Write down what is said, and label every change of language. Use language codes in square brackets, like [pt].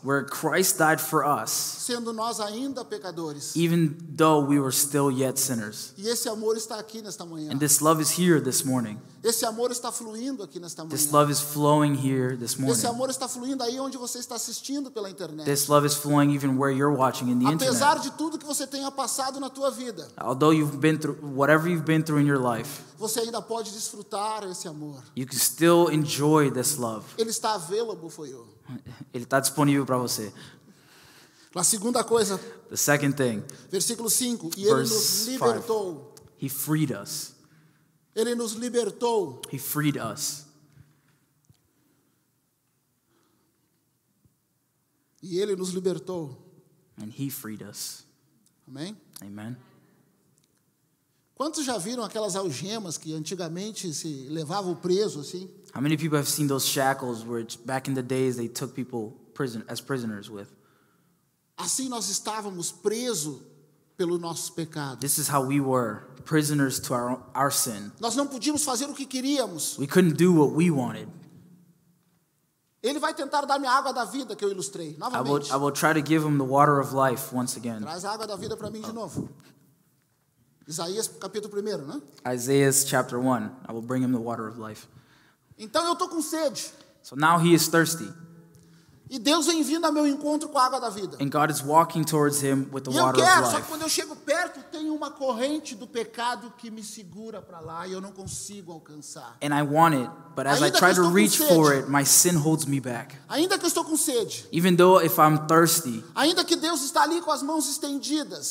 [en] Where Christ died for us. [pt] Sendo nós ainda pecadores. [en] Even though we were still yet sinners. [pt] E esse amor está aqui nesta manhã. [en] And this love is here this morning. [pt] Esse amor está fluindo aqui nesta manhã. [en] This love is flowing here this morning. [pt] Esse amor está fluindo aí onde você está assistindo pela internet. [en] This love is flowing even where you're watching in the [pt] apesar [en] internet. [pt] Apesar de tudo que você tenha passado na tua vida. [en] Although you've been through whatever you've been through in your life. [pt] Você ainda pode desfrutar esse amor. [en] You can still enjoy this love. [pt] Ele está [en] available for you. [pt] Ele está disponível para você. A segunda coisa. [en] The second thing. [pt] Versículo 5, e ele nos libertou. [en] He freed us. [pt] Ele nos libertou. [en] He freed us. [pt] E ele nos libertou. [en] And he freed us. [pt] Amém? [en] Amen. [pt] Quantos já viram aquelas algemas que antigamente se levavam preso assim? [en] How many people have seen those shackles which back in the days they took people prisoners with? [pt] Assim nós estávamos presos pelo nosso pecado. [en] This is how we were. Prisoners to our sin. [pt] Nós não podíamos fazer o que queríamos. [en] We couldn't do what we wanted. [pt] Ele vai tentar dar-me a água da vida que eu ilustrei novamente. [en] I will try to give him the water of life once again. [pt] Traz a água da vida para mim de novo. Isaías capítulo 1, né? [en] Isaiah chapter 1. I will bring him the water of life. [pt] Então eu tô com sede. [en] So now he is thirsty. [pt] E Deus vem vindo ao meu encontro com a água da vida. [en] And God is walking towards him with the water [pt] E eu quero, só que quando eu chego perto, tem uma corrente do pecado que me segura para lá e eu não consigo alcançar. [en] And I want it, but as [pt] Ainda [en] I try to reach for it, my sin holds me back. [pt] Ainda que eu estou com sede. [en] Even though if I'm thirsty. [pt] Ainda que Deus está ali com as mãos estendidas.